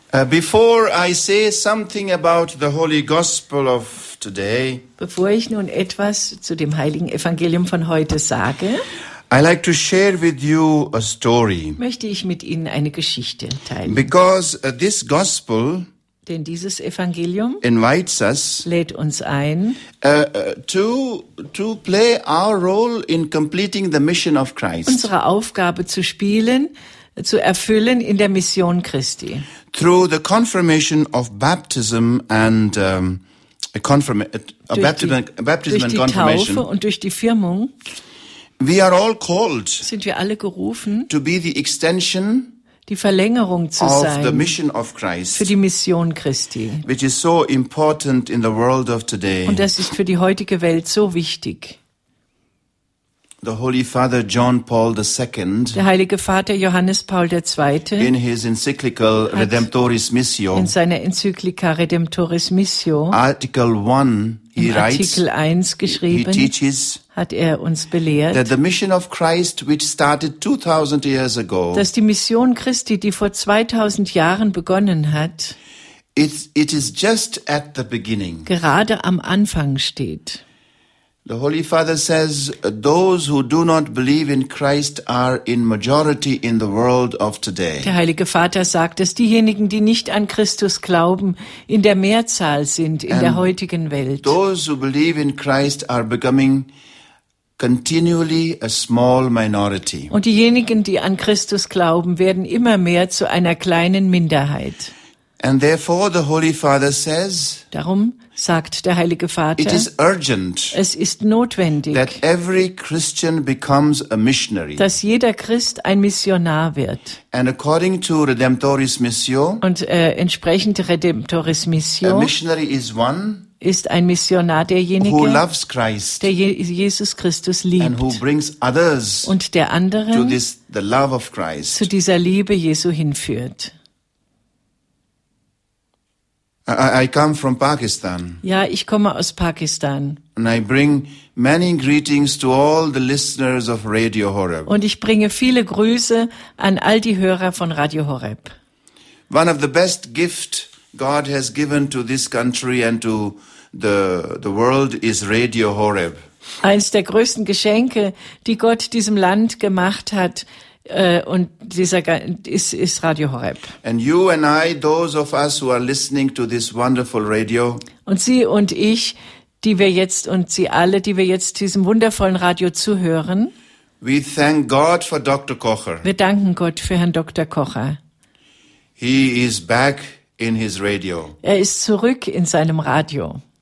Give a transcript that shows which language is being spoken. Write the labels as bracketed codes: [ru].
[en] Before I say something about the Holy Gospel of today, [de] bevor ich nun etwas zu dem Heiligen Evangelium von heute sage, [en] I like to share with you a story. [de] Möchte ich mit Ihnen eine Geschichte teilen. [en] Because this Gospel, [de] denn dieses Evangelium [en] invites us, [de] lädt uns ein, [en] to play our role in completing the mission of Christ. [de] Unsere Aufgabe zu spielen, zu erfüllen in der Mission Christi. [en] Through the confirmation of baptism and [de] Taufe und durch die Firmung, [en] we are all called, [de] sind wir alle gerufen, [en] to be the extension, [de] die Verlängerung zu [en] of [de] sein [en] the mission of Christ, [de] für die Mission Christi, [en] which is so important in the world of today. [de] Und das ist für die heutige Welt so wichtig. [en] The Holy Father John Paul II, [de] der heilige Vater Johannes Paul II, [en] in his encyclical Redemptoris Missio, [de] in seiner Enzyklika Redemptoris Missio, [en] Article 1, [de] in Artikel 1 geschrieben, hat er uns belehrt, [en] that the mission of Christ, which started 2000 years ago, [de] dass die Mission Christi, die vor 2000 Jahren begonnen hat, [en] it is just at the beginning, [de] gerade am Anfang steht. [en] The Holy Father says, those who do not believe in Christ are in majority in the world of today. [de] Der Heilige Vater sagt, dass diejenigen, die nicht an Christus glauben, in der Mehrzahl sind in der heutigen Welt. [en] Those who believe in Christ are becoming continually a small minority. [de] Und diejenigen, die an Christus glauben, werden immer mehr zu einer kleinen Minderheit. [en] And therefore the Holy Father says, [de] darum sagt der Heilige Vater, [en] it is urgent, [de] es ist notwendig, [en] that every Christian becomes a missionary, [de] dass jeder Christ ein Missionar wird. [en] And according to Redemptoris Missio, [de] und entsprechend Redemptoris Missio, [en] a missionary is one, [de] ist ein Missionar derjenige, [en] who loves Christ, [de] der Jesus Christus liebt, [en] and who brings others, [de] und der anderen [en] to this, the love of Christ, [de] zu dieser Liebe Jesu hinführt. [en] I come from Pakistan. [de] Ja, ich komme aus Pakistan. [en] And I bring many greetings to all the listeners of Radio Horeb. [de] Und ich bringe viele Grüße an all die Hörer von Radio Horeb. [en] One of the best gifts God has given to this country and to the world is Radio Horeb. [de] Eins der größten Geschenke, die Gott diesem Land gemacht hat, und dieser ist Radio Horeb. [en] And you and I, those of us who are listening to this wonderful radio. [de] Und Sie und ich, die wir jetzt und Sie alle, die wir jetzt diesem wundervollen Radio zuhören. [en] We thank God for Dr. Kocher. [de] Wir danken Gott für Herrn Dr. Kocher. [en] He is back in his radio. [de] Er ist zurück in seinem Radio.